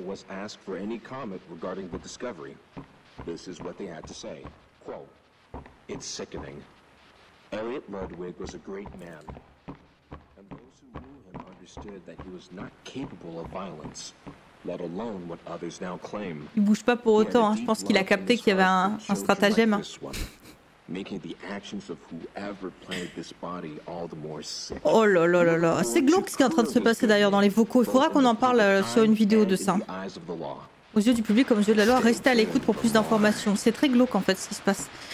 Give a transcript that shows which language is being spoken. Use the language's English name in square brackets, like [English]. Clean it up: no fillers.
[English] was asked for any comment regarding the discovery. This is what they had to say. Quote, it's sickening. Elliot Ludwig was a great man. And those who knew him understood that he was not capable of violence, let alone what others now claim. [French] Il bouge pas pour autant, hein. Je pense qu'il a capté qu'il y avait un stratagème. [English] Making the actions of whoever planted this body all the more sick. [French] Oh là là là là, c'est glauque ce qui est en train de se passer d'ailleurs dans les vocaux. Il faudra qu'on en parle sur une vidéo de ça. Aux yeux du public comme aux yeux de la loi, restez à l'écoute pour plus d'informations. C'est très glauque en fait ce qui se passe.